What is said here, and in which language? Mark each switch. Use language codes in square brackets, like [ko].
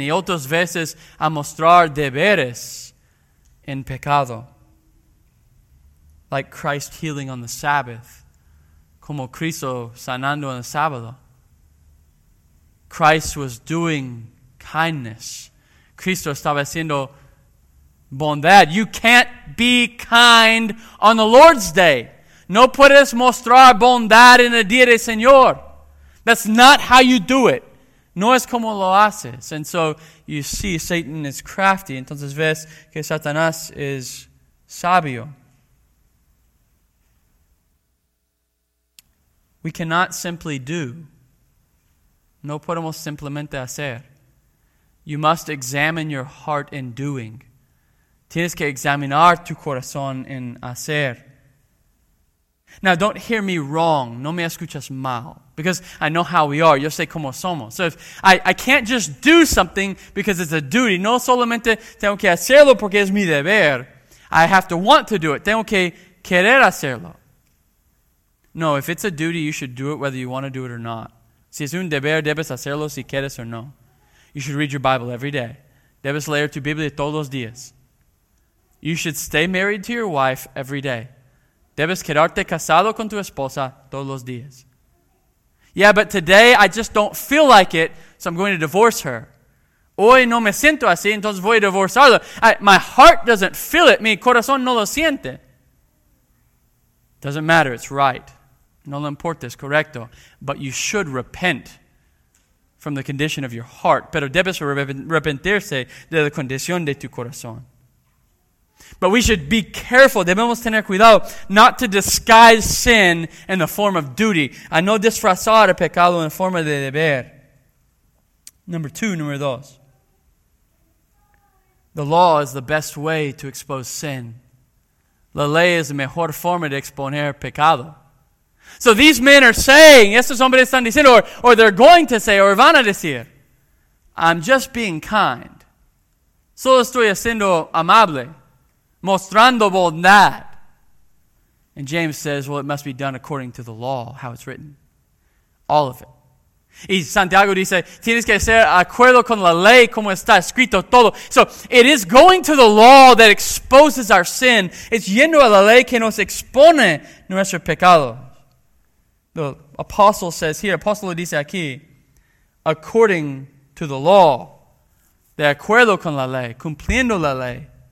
[es] Y otras veces a mostrar deberes en pecado. [en] Like Christ healing on the Sabbath. [es] Como Cristo sanando en el sábado. [en] Christ was doing kindness. [es] Cristo estaba haciendo bondad. [en] You can't be kind on the Lord's Day. [es] No puedes mostrar bondad en el día del Señor. [en] That's not how you do it. [es] No es como lo haces. [en] And so you see Satan is crafty. [es] Entonces ves que Satanás es sabio. [en] We cannot simply do. [es] No podemos simplemente hacer. [en] You must examine your heart in doing. [es] Tienes que examinar tu corazón en hacer. [en] Now, don't hear me wrong. [es] No me escuchas mal. [en] Because I know how we are. [es] Yo sé cómo somos. [en] So if I can't just do something because it's a duty. [es] No solamente tengo que hacerlo porque es mi deber. [en] I have to want to do it. [es] Tengo que querer hacerlo. [en] No, if it's a duty, you should do it whether you want to do it or not. [es] Si es un deber, debes hacerlo si quieres o no. [en] You should read your Bible every day. [es] Debes leer tu Biblia todos los días. [en] You should stay married to your wife every day. [es] Debes quedarte casado con tu esposa todos los días. [en] Yeah, but today I just don't feel like it, so I'm going to divorce her. [es] Hoy no me siento así, entonces voy a divorciarla. [en] My heart doesn't feel it. [es] Mi corazón no lo siente. [en] Doesn't matter. It's right. [es] No le importa, es correcto. [en] But you should repent from the condition of your heart. [es] Pero debes arrepentirse de la condición de tu corazón. [en] But we should be careful, [es] debemos tener cuidado, [en] not to disguise sin in the form of duty. [es] A no disfrazar el pecado en forma de deber. Número dos. [en] The law is the best way to expose sin. [es] La ley es la mejor forma de exponer pecado. [en] So these men are saying, [es] estos hombres están diciendo, [en] or they're going to say, [es] or van a decir, [en] I'm just being kind. [es] Solo estoy siendo amable. Mostrando bondad. [en] And James says, well, it must be done according to the law, how it's written. All of it. [es] Y Santiago dice, tienes que hacer acuerdo con la ley como está escrito todo. [en] So it is going to the law that exposes our sin. [es] It's yendo a la ley que nos expone nuestro pecado. [en] The apostle says here, apostle [es] dice aquí, [en] according to the law, [es] de acuerdo con la ley, cumpliendo la ley.